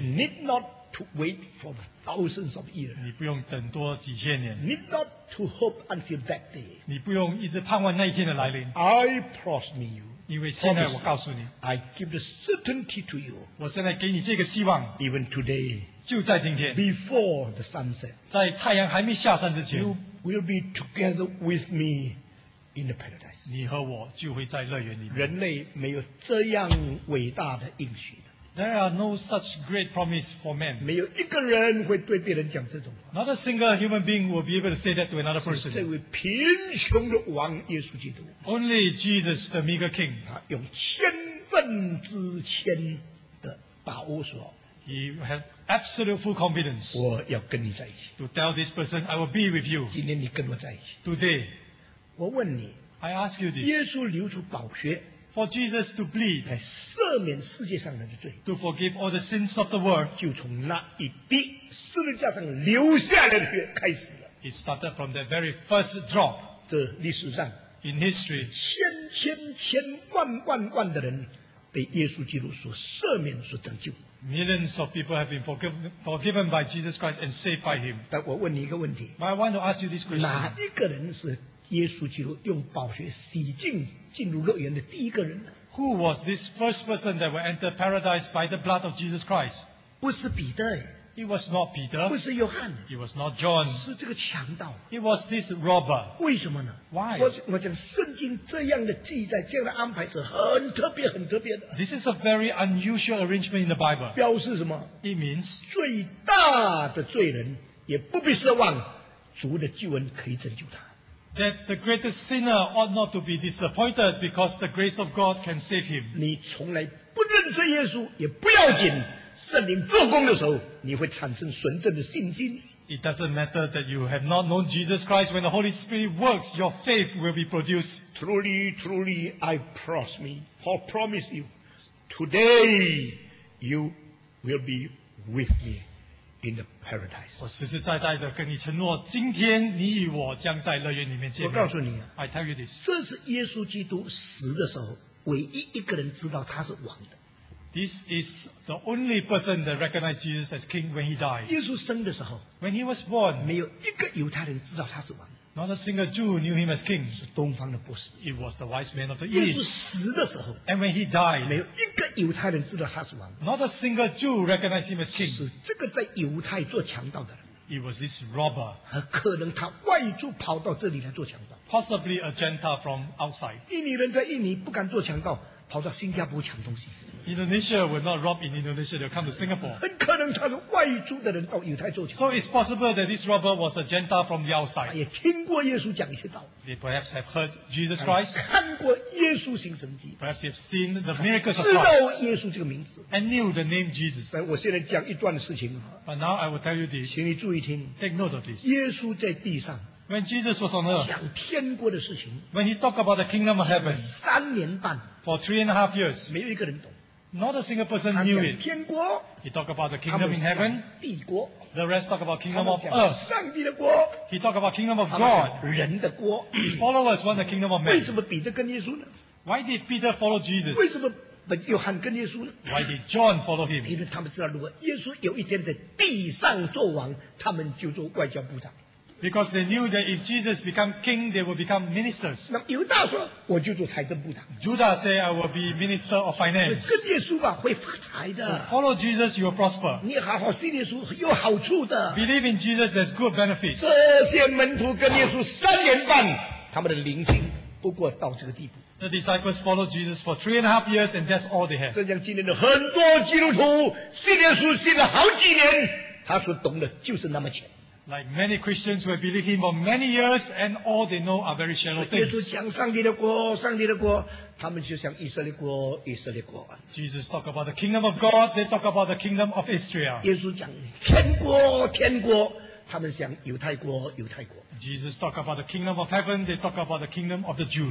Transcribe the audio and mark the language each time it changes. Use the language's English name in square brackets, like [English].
[English] Need not to wait for thousands of years. [Chinese] 你不用等多几千年。 [English] Need not to hope until that day. [Chinese] 你不用一直盼望那一天的来临。 [English] I promise you. [Chinese] 因为现在我告诉你。 [English] I give the certainty to you. [Chinese] 我现在给你这个希望。 [English] Even today. [Chinese] 就在今天。 [English] Before the sunset. [Chinese] 在太阳还没下山之前。 [English] You will be together with me. In the paradise. [Chinese] 你和我就会在乐园里面。人类没有这样伟大的应许的。 [English] There are no such great promise for men. [Chinese] 没有一个人会对别人讲这种话。 [English] Not a single human being will be able to say that to another person. [Chinese] 这位贫穷的王耶稣基督。 [English] Only Jesus, the meager king. [Chinese] 他用千分之千的把握说。 [English] He had absolute full confidence. [Chinese] 我要跟你在一起。 [English] To tell this person, I will be with you. [Chinese] 今天你跟我在一起。 [English] Today. [Chinese] 我问你 [English] I ask you this, [Chinese] 耶稣流出宝血 [English] for Jesus to bleed, [Chinese] 来赦免世界上人的罪 [English] to forgive all the sins of the world, [Chinese] 就从那一滴十字架上流下来的血开始了 [English] It started from the very first drop, [Chinese] 这历史上 [English] in history, [Chinese] 千千千万万万的人被耶稣基督所赦免所拯救 [English] Millions of people have been forgiven by Jesus Christ and saved by him. [Chinese] 但我问你一个问题 [English] But I want to ask you this question. [Chinese] 哪一个人是耶稣基督用宝血洗净进入乐园的第一个人 [English] Who was this first person that will enter paradise by the blood of Jesus Christ? [Chinese] 不是彼得 [English] It was not Peter. [Chinese] 不是约翰 [English] It was not John. [Chinese] 是这个强盗 [English] It was this robber. [Chinese] 为什么呢 [English] Why? [Chinese] 我讲圣经这样的记载这样的安排是很特别很特别的 [English] This is a very unusual arrangement in the Bible. [Chinese] 表示什么 [English] It means [Chinese] 最大的罪人也不必奢望主的救恩可以拯救他 [English] That the greatest sinner ought not to be disappointed because the grace of God can save him. [Chinese] 你从来不认识耶稣也不要紧，圣灵做工的时候，你会产生纯正的信心。 [English] It doesn't matter that you have not known Jesus Christ. When the Holy Spirit works, your faith will be produced. Truly, truly, I promise me, or promise you, today you will be with me. In the paradise. [Chinese] 我实实在在的跟你承诺，今天你与我将在乐园里面见面。我告诉你 [English] ，I tell you this. [Chinese] 这是耶稣基督死的时候，唯一一个人知道他是王的。 [English] This is the only person that recognized Jesus as king when he died. [Chinese] 耶稣生的时候 [English] ，When he was born, [Chinese] 没有一个犹太人知道他是王。 [English] Not a single Jew knew him as king. [Chinese] 是东方的博士。 [English] It was the wise man of the east. [Chinese] 耶稣死的时候 [English] ，And when he died, [Chinese] 没有一个犹太人知道他是王。 [English] Not a single Jew recognized him as king. [Chinese] 是这个在犹太做强盗的人。 [English] It was this robber. [Chinese] 可能他外族跑到这里来做强盗。 [English] Possibly a Gentile from outside. [Chinese] 印尼人在印尼不敢做强盗，跑到新加坡抢东西。 [English] Indonesia will not rob in Indonesia, they'll come to Singapore. [Chinese] 很可能他是外族的人到犹太做强 [English] 盗。So it's possible that this robber was a Gentile from the outside. [Chinese] 也听过耶稣讲一些道。 [English] They perhaps have heard Jesus Christ. [Chinese] 看过耶稣行神迹。 [English] Perhaps they've seen the miracles of [Chinese] Christ. 知道耶稣这个名字。 [English] And knew the name Jesus. [Chinese] 我现在讲一段事情。 [English] But now I will tell you this. [Chinese] 请你注意听。 [English] Take note of this. [Chinese] 耶稣在地上。 [English] When Jesus was on earth, [Chinese] 讲天国的事情, [English] when he talked about the kingdom of heaven, [Chinese] 三年半, [English] for 3.5 years, [Chinese] 没有一个人懂, [English] not a single person knew it. [Chinese] 天国, [English] he talked about the kingdom in heaven, [Chinese] 帝国, [English] the rest talked about kingdom of earth, [Chinese] 上帝的国, [English] he talked about kingdom of God, [Chinese] 人的国, [English] his followers want the kingdom of man. [Chinese] 为什么彼得跟耶稣呢? [English] Why did Peter follow Jesus? [Chinese] 为什么本约翰跟耶稣呢? [English] Why did John follow him? [Chinese] 因为他们知道如果耶稣有一天在地上做王, 他们就做外交部长。 [English] Because they knew that if Jesus become king, they will become ministers. [Chinese] 那犹大说，我就做财政部长。 [English] Judas say, I will be minister of finance. [Chinese] 跟耶稣吧，会发财的。 [English] So、follow Jesus, you will prosper. [Chinese] 你好好信耶稣，有好处的。 [English] Believe in Jesus, there's good benefits. [Chinese] 这些门徒跟耶稣三年半，他们的灵性不过到这个地步。 [English] The disciples followed Jesus for 3.5 years, and that's all they had. [Chinese] 这样今天的很多基督徒信耶稣信了好几年，他所懂的就是那么浅。 [English] Like many Christians who have believed him for many years and all they know are very shallow things. [Chinese] 耶稣讲上帝的国，上帝的国，他们就像以色列国，以色列国。 [English] Jesus talk about the kingdom of God, they talk about the kingdom of Israel. [Chinese] 耶稣讲天国，天国，他们想犹太国，犹太国。 [English] Jesus talk about the kingdom of heaven, they talk about the kingdom of the Jews.